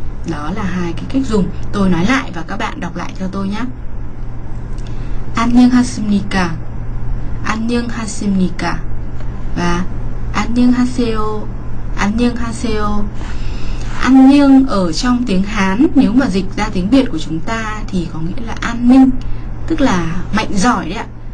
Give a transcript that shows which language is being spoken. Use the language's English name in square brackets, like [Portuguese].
[Vietnamese] Đó là hai cái cách dùng. Tôi nói lại và các bạn đọc lại cho tôi nhé. [Korean] 안녕하십니까, 안녕하십니까 và 안녕하세요, 안녕하세요. [Vietnamese] 안녕 ở trong tiếng Hán, nếu mà dịch ra tiếng Việt của chúng ta thì có nghĩa là an ninh, tức là mạnh giỏi đấy ạ.